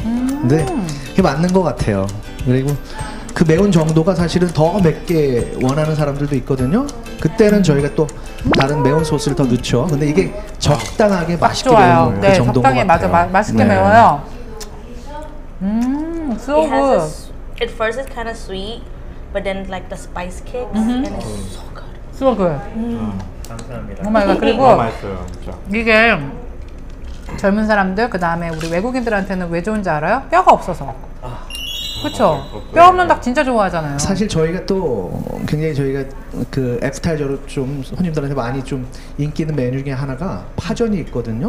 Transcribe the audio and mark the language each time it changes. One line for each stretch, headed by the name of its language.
Korean: 근데 이게 맞는 것 같아요. 그리고 그 매운 정도가 사실은 더 맵게 원하는 사람들도 있거든요. 그때는 저희가 또 다른 매운 소스를 더 넣죠. 근데 이게 적당하게 맛있게 좋아요. 매운 거예요. 네, 그 정도인 적당히 것 같아요. 맛있게 매워요.
English: So good. At first it's kind of sweet, but then like the spice kicks and it's so good. So good.
Korean: 감사합니다.
English: Oh my god.
Korean: 그리고 맛있어요, 이게 젊은 사람들 그 다음에 우리 외국인들한테는 왜 좋은지 알아요? 뼈가 없어서. 그렇죠. 뼈 없는 닭 진짜 좋아하잖아요. 사실 저희가 또 굉장히 저희가 그 애프타이저로 좀 손님들한테 많이 좀 인기 있는 메뉴 중에 하나가 파전이 있거든요.